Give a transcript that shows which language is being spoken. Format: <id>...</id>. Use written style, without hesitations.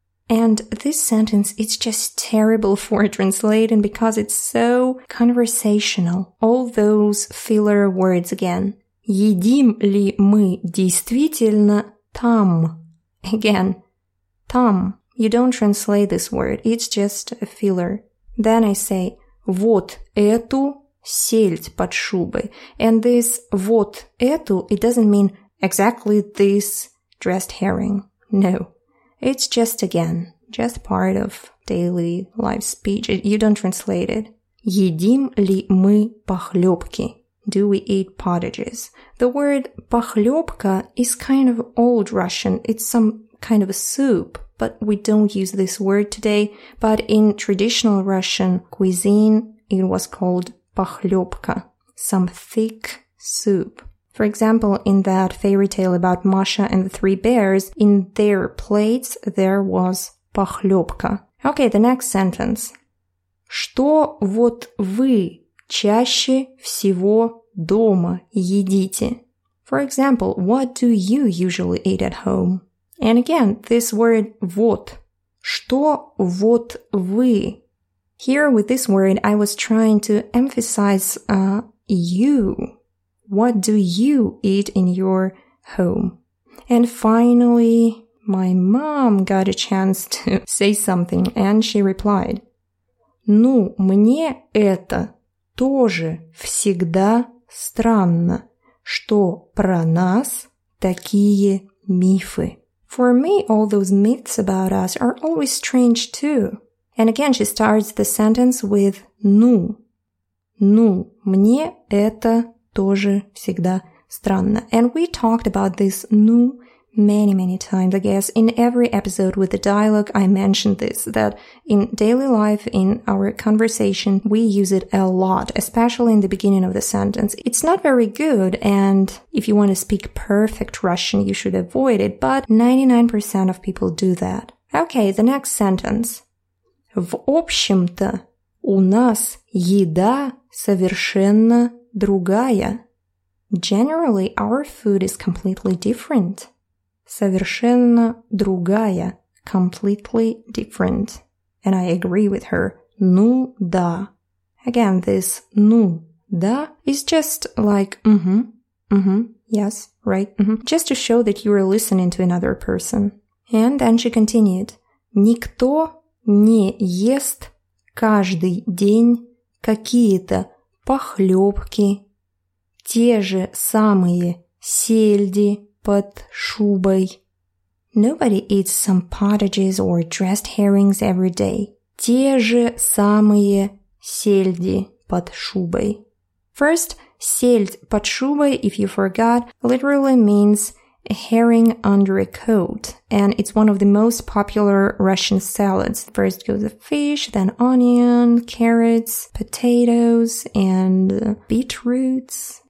<en>And this sentence, it's just terrible for translating because it's so conversational. All those filler words again.</en> <ru>Едим ли мы действительно там?</ru> <en>Again, там. You don't translate this word. It's just a filler. Then I say,</en> <ru>вот эту сельдь под шубой.</ru> <en>And this вот эту, it doesn't mean exactly this dressed herring. No, it's just again, just part of daily life speech. You don't translate it.</en> <ru>Едим ли мы похлебки?</ru> <en>Do we eat pottages? The word похлебка is kind of old Russian. It's some kind of a soup, but we don't use this word today. But in traditional Russian cuisine, it was called похлебка, some thick soup. For example, in that fairy tale about Masha and the 3 bears, in their plates there was похлёбка. Okay, the next sentence.</en> <ru>Что вот вы чаще всего дома едите?</ru> <en>For example, what do you usually eat at home? And again, this word вот.</en> <ru>Что вот вы?</ru> <en>Here with this word I was trying to emphasize you. What do you eat in your home? And finally, my mom got a chance to say something and she replied,</en> <ru>ну, мне это тоже всегда странно, что про нас такие мифы.</ru> <en>For me, all those myths about us are always strange too. And again, she starts the sentence with</en> <ru>ну. Ну, мне это тоже всегда странно.</ru> <en>And we talked about this ну many, many times, I guess, in every episode with the dialogue, I mentioned this, that in daily life, in our conversation, we use it a lot, especially in the beginning of the sentence. It's not very good, and if you want to speak perfect Russian, you should avoid it, but 99% of people do that. Okay, the next sentence.</en> <ru>В общем-то, у нас еда совершенно другая.</ru> <en>Generally, our food is completely different.</en> <ru>Совершенно другая.</ru> <en>Completely different. And I agree with her.</en> <ru>Ну да.</ru> <en>Again, this ну да is just like yes, right, just to show that you are listening to another person. And then she continued.</en> <ru>Никто не ест каждый день какие-то похлебки, те же самые сельди под шубой.</ru> <en>Nobody eats some pottages or dressed herrings every day.</en> <ru>Те же самые сельди под шубой.</ru> <en>First, сельдь под шубой, if you forgot, literally means a herring under a coat, and it's one of the most popular Russian salads. First goes the fish, then onion, carrots, potatoes, and beetroots.</en>